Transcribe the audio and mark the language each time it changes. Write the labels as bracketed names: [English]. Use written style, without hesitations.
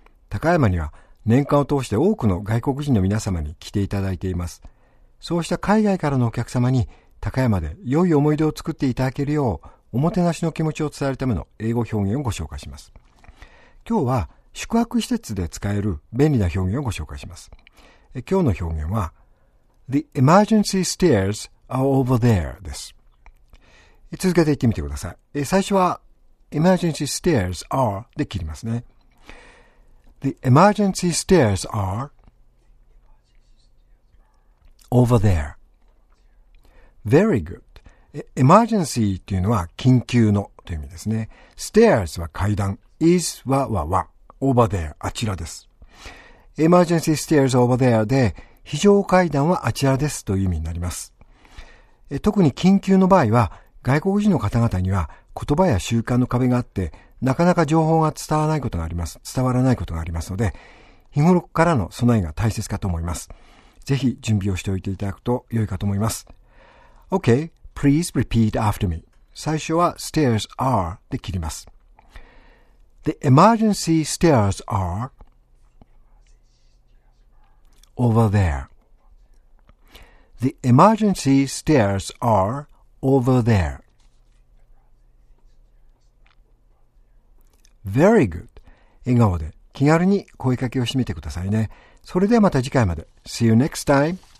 [Japanese] 高山には年間を通して多くの外国人の皆様に来ていただいています。そうした海外からのお客様に高山で良い思い出を作っていただけるよう、おもてなしの気持ちを伝えるための英語表現をご紹介します。今日は宿泊施設で使える便利な表現をご紹介します。今日の表現は、 [English] The emergency stairs are over there [Japanese] です。続けて言ってみてください。最初は [English] Emergency stairs are [Japanese] で切りますね。 [English] The emergency stairs are over there. Very good. [Japanese] Emergency というのは緊急のという意味ですね。 Stairs は階段。Is はわわ。 Over there あちらです。 [English] Emergency stairs over there [Japanese] で非常階段はあちらですという意味になります。特に緊急の場合は外国人の方々には言葉や習慣の壁があって、なかなか情報が伝わらないことがあります。伝わらないことがありますので、日頃からの備えが大切かと思います。ぜひ準備をしておいていただくと良いかと思います。 [English] Okay, please repeat after me. [Japanese] 最初は stairs are で切ります。 [English] The emergency stairs are over there. The emergency stairs areOver there. Very good. [Japanese] 笑顔で気軽に声かけをしてみてくださいね。それではまた次回まで。 [English] See you next time.